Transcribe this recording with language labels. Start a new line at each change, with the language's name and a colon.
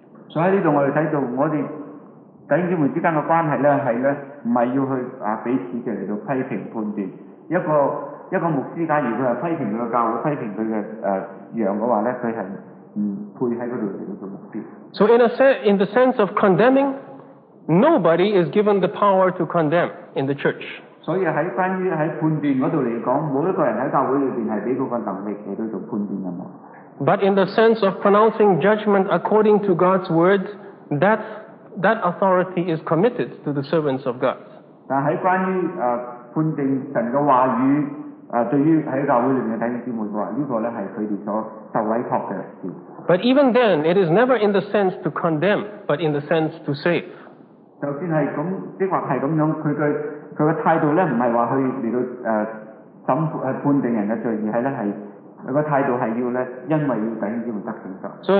English: So here we see that our brothers and sisters is not to be judged.
Cantonese: 一個牧師，假如佢係批評佢個教會、批評佢嘅羊嘅話咧，佢係唔配喺嗰度嚟做牧師。
English: So in the sense of condemning, nobody is given the power to condemn in the church.
Cantonese: 所以喺關於喺判斷嗰度嚟講，冇一個人喺教會裏邊係俾嗰個能力嚟到做判斷嘅嘛。
English: But in the sense of pronouncing judgment according to God's word, that authority is committed to the servants of God.
Cantonese: 但喺關於判定神嘅話語。對於喺教會裏面嘅弟兄姊妹話，呢個咧係佢哋所受委託嘅事。
English: But even then, it is never in the sense to condemn, but in the sense to save.
Cantonese: 就算係咁，即或係咁樣，佢嘅態度咧，唔係話去嚟到判定人嘅罪，而係咧係佢個態度係要咧，因為要弟兄姊妹得拯救。